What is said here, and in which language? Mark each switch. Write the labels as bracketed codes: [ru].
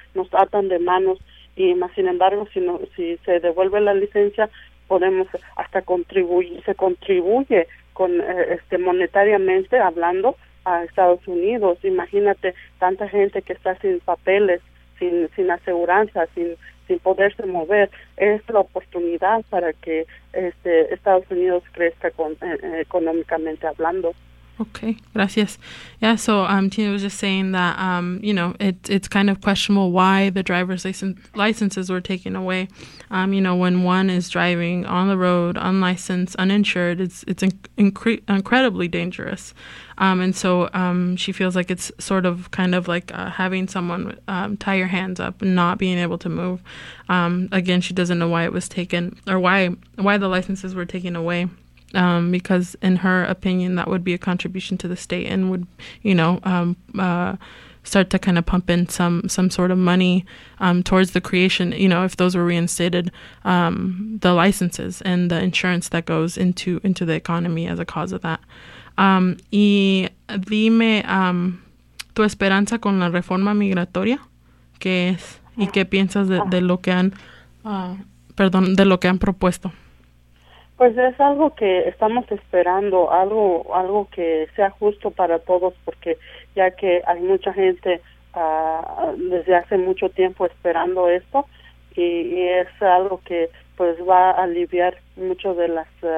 [es] Nos atan de manos y más sin embargo, si se devuelve la licencia, podemos hasta se contribuye con monetariamente hablando a Estados Unidos. Imagínate tanta gente que está sin papeles, sin aseguranza, sin poderse mover. Es la oportunidad para que Estados Unidos crezca económicamente hablando. Okay, gracias. [en] Yeah, so Tina was just saying that you know, it's kind of questionable why the driver's licenses were taken away. You know, when one is driving on the road unlicensed, uninsured, it's incredibly dangerous. And so she feels like it's sort of kind of like having someone tie your hands up and not being able to move. Again, she doesn't know why it was taken or why the licenses were taken away. Because in her opinion, that would be a contribution to the state and would, you know, start to kind of pump in some sort of money towards the creation, you know, if those were reinstated, the licenses and the insurance that goes into the economy as a cause of that. [es] Y dime tu esperanza con la reforma migratoria, ¿qué es? ¿Y qué piensas de lo que han propuesto? Pues es algo que estamos esperando, algo que sea justo para todos, porque ya que hay mucha gente desde hace mucho tiempo esperando esto, y es algo que pues va a aliviar mucho de las